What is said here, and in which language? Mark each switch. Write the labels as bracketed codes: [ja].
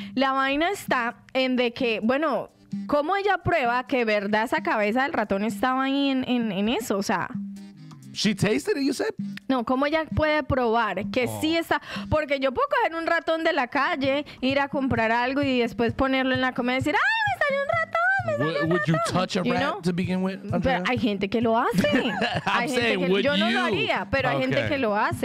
[es] La vaina está en de que, bueno, ¿cómo ella prueba que verdad esa cabeza del ratón estaba ahí en eso? O sea, [en] she tasted it, you said? [es] No, ¿cómo ella puede probar que sí está? Porque yo puedo coger un ratón de la calle, ir a comprar algo y después ponerlo en la comida y decir, ¡ay, me salió un ratón! [en] Would you touch a rat to begin with? [es] Pero hay gente que lo hace. Yo no lo haría, pero hay gente que lo hace.